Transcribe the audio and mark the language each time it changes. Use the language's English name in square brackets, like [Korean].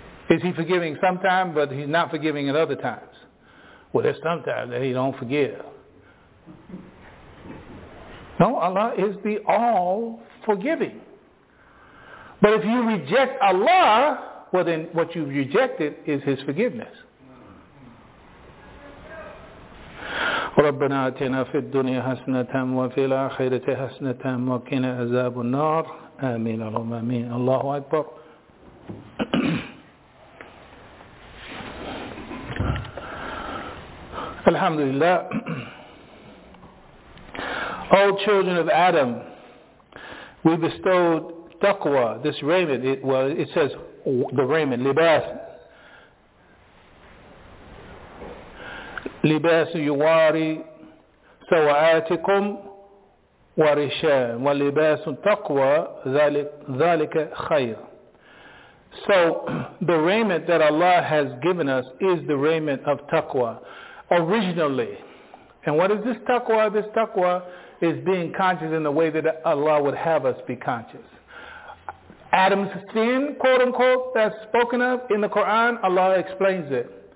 [English] Is he forgiving sometimes, but he's not forgiving at other times? Well, there's sometimes that he don't forgive. No, Allah is the all-forgiving. But if you reject Allah, well then what you've rejected is his forgiveness. [Arabic] ربنا آتنا في الدنيا حسنة وفي الآخرة حسنة وقنا عذاب النار آمين اللهم آمين الله أكبر الحمد لله [English] All children of Adam, we bestowed taqwa, this raiment. It says the raiment, libas. [Arabic] لباس يواري سوآتكم ورشام ولباس تقوى ذلك خير. [English] So the raiment that Allah has given us is the raiment of taqwa originally. And what is this taqwa? This taqwa is being conscious in the way that Allah would have us be conscious. Adam's sin, quote unquote, that's spoken of in the Quran, Allah explains it.